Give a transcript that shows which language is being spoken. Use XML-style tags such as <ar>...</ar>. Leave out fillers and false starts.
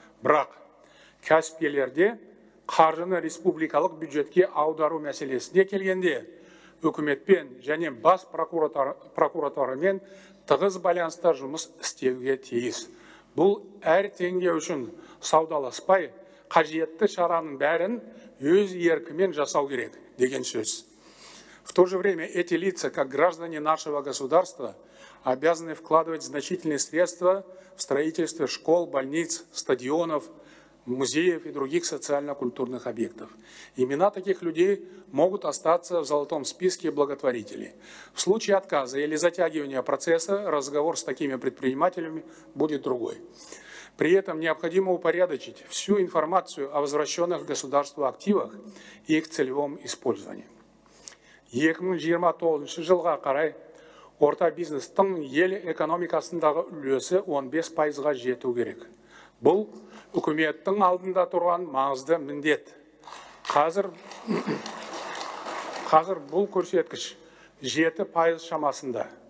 <kk>Бірақ кәсіпкерлерде қаржыны республикалық бюджетке аудару мәселесіне келгенде, үкіметпен және бас прокуратурамен тығыз байланыста жұмыс істеуге тиіс. Бұл әр теңге үшін саудаласпай, қажетті шараның бәрін өз еркімен жасау керек, деген сөз.</kk> <ru>В то же время эти лица, как граждане нашего государства, обязаны вкладывать значительные средства в строительство школ, больниц, стадионов, музеев и других социально-культурных объектов. Имена таких людей могут остаться в золотом списке благотворителей. В случае отказа или затягивания процесса разговор с такими предпринимателями будет другой. При этом необходимо упорядочить всю информацию о возвращенных государству активах и их целевом использовании.</ru> <kk>2029 жылға қарай орта бизнестің ел экономикасындағы үлесі 15%-ға жету керек. Бұл үкіметтің алдында тұрған маңызды міндет. Қазір бұл көрсеткіш 7% шамасында.</kk>